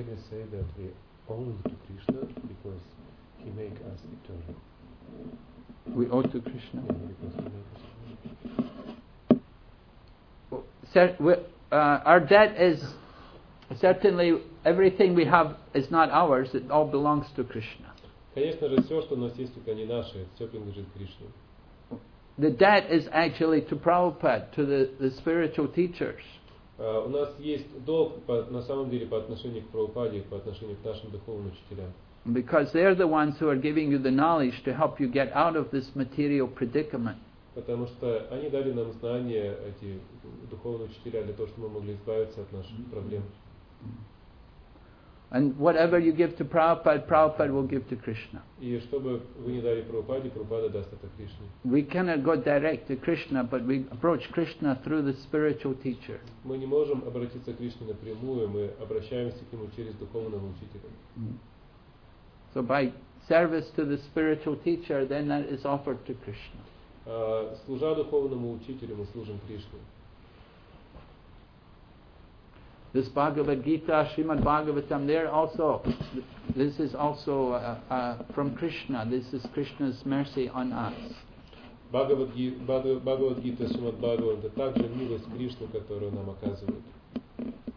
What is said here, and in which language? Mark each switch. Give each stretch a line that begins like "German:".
English: Say that we owe to Krishna because he make us eternal. We owe to Krishna? Yeah, because he make us eternal. Well, our debt is certainly everything we have is not ours, it all belongs to Krishna.
Russian: Конечно же, все, что у нас есть, только не наше, все принадлежит Кришне.
English: The debt is actually to Prabhupada, to the spiritual teachers.
Russian: У нас есть долг на самом деле по отношению к Прабхупаде, по отношению к нашим духовным учителям.
English: Because they are the ones who are giving you the knowledge to help you get out of this material predicament.
Russian: Потому что они дали нам знания, эти духовные учителя, для того, чтобы мы могли избавиться от наших проблем.
English: And whatever you give to Prabhupada, Prabhupada will give to Krishna.
Russian: И что бы вы ни дали Прабхупаде, Прабхупада даст это Кришне.
English: We cannot go direct to Krishna, but we approach Krishna through the spiritual teacher.
Russian: Мы не можем обратиться к Кришне напрямую, мы обращаемся к нему через духовного учителя.
English: So by service to the spiritual teacher, then that is offered to Krishna.
Russian: Служа духовному учителю, мы служим Кришне.
English: This Bhagavad Gita, Srimad Bhagavatam, there also, this is also from Krishna. This is Krishna's mercy on us.
Russian: Bhagavad Gita, Srimad Bhagavatam, это также милость Кришны, которую нам оказывает.